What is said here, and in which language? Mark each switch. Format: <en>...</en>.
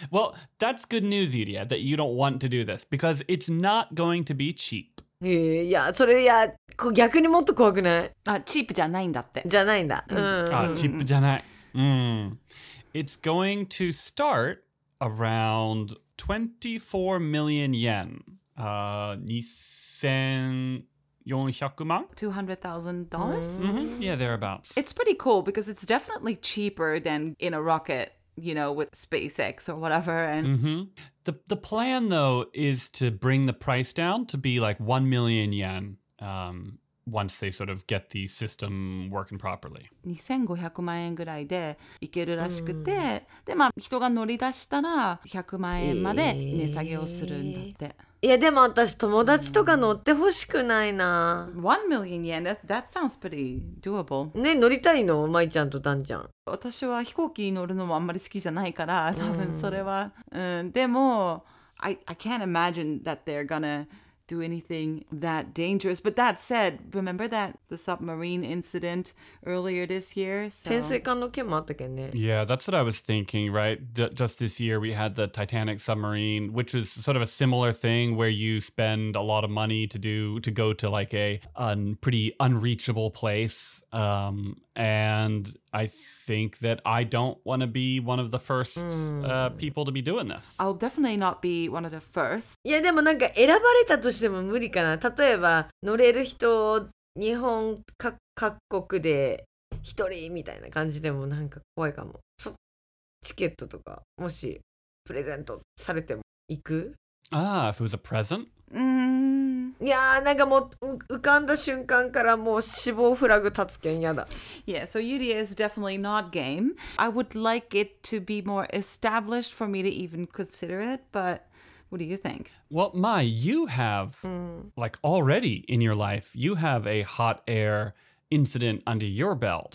<en>Well, that's good news, Yuria, that you don't want to do this because it's not going to be cheap.</en> <ja>いや、それ、いや、逆にもっと怖くない？あ、チープじゃないんだって。じゃないんだ。あ、チープじゃない。</ja> <en>It's going to start around 24 million yen. 2,400,000 $200,000? Mm-hmm. Yeah, thereabouts. It's pretty cool because it's definitely cheaper than in a rocket, you know, with SpaceX or whatever. And The plan, though, is to bring the price down to be like 1 million yen once they sort of get the system working properly.</en> <ja>2,500,000円ぐらいで行けるらしくて、で、まあ、人が乗り出したら100万円まで値下げをするんだって。いやでも私友達とか乗ってほしくないな。</ja> <en>1 million yen, that sounds pretty doable.</en> <ja>ね、乗りたいの？まいちゃんとダンちゃん。私は飛行機乗るのもあんまり好きじゃないから、多分それは。でも、</ja> <en>I can't imagine that they're gonna do anything that dangerous. But that said, remember that the submarine incident earlier this year? So...</en> <ja>潜水艦の件もあったけんね。</ja> <en>Yeah, that's what I was thinking, right? Just this year we had the Titanic submarine, which is sort of a similar thing where you spend a lot of money to go to like a pretty unreachable place. And I think that I don't want to be one of the first people to be doing this. I'll definitely not be one of the first. Yeah,</en> <ja>でもなんか選ばれたとしても無理かな。例えば乗れる人を日本か各国で一人みたいな感じでもなんか怖いかも。そう、チケットとかもしプレゼントされても行く？</ja> <en>Ah, if it was a present?</en> <ja>いやーなんかもう浮かんだ瞬間からもう死亡フラグ立つけんやだ。</ja> <en>Yeah, so Yuria is definitely not game. I would like it to be more established for me to even consider it, but what do you think? Well, Mai, you have, like already in your life, you have a hot air incident under your belt.</en>